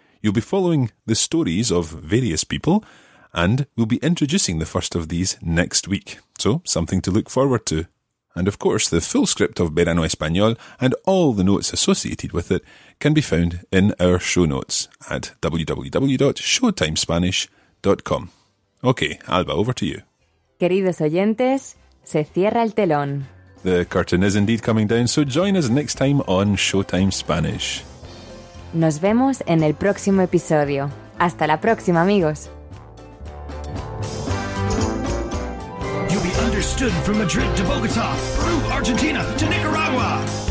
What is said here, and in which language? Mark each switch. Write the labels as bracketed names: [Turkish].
[English] You'll be following the stories of various people, and we'll be introducing the first of these next week. So, something to look forward to. And of course, the full script of Verano Español and all the notes associated with it can be found in our show notes at www.showtimespanish.com. Okay, Alba, over to you. [Spanish] Queridos oyentes, se cierra el telón. [English] The curtain is indeed coming down, so join us next time on Showtime Spanish. [Spanish] Nos vemos en el próximo episodio. Hasta la próxima, amigos. [English] Stood from Madrid to Bogota, Peru, Argentina to Nicaragua.